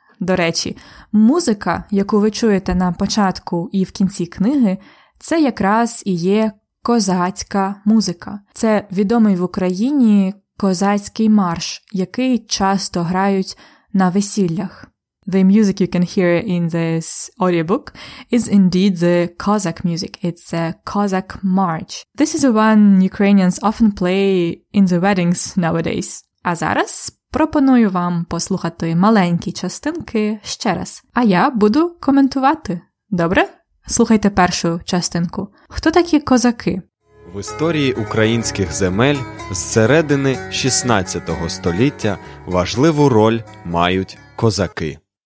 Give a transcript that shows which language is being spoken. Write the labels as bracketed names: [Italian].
[Ukrainian] До речі, музика, яку ви чуєте на початку і в кінці книги, це якраз і є козацька музика. Це відомий в Україні козацький марш, який часто грають на весіллях. [English] The music you can hear in this audiobook is indeed the Cossack music. It's a Cossack march. This is the one Ukrainians often play in the weddings nowadays. [Ukrainian] А зараз пропоную вам послухати маленькі частинки ще раз. А я буду коментувати. Добре? Слухайте першу частинку. Хто такі козаки? В історії українських земель з середини 16 століття важливу роль мають козаки.